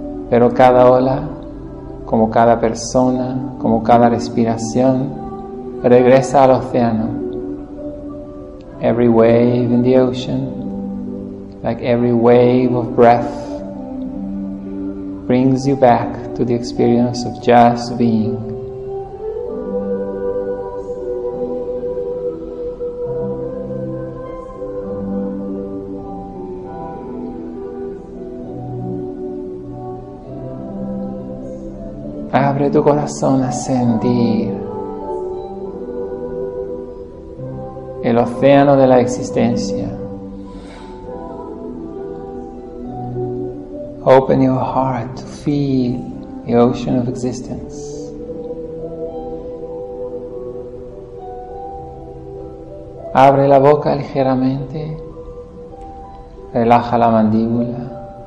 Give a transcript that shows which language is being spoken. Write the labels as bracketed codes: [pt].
[es] pero cada ola, como cada persona, como cada respiración, regresa al océano. [en] Every wave in the ocean, like every wave of breath, brings you back to the experience of just being. [es] Abre tu corazón a sentir el océano de la existencia. [en] Open your heart to feel the ocean of existence. [es] Abre la boca ligeramente. Relaja la mandíbula.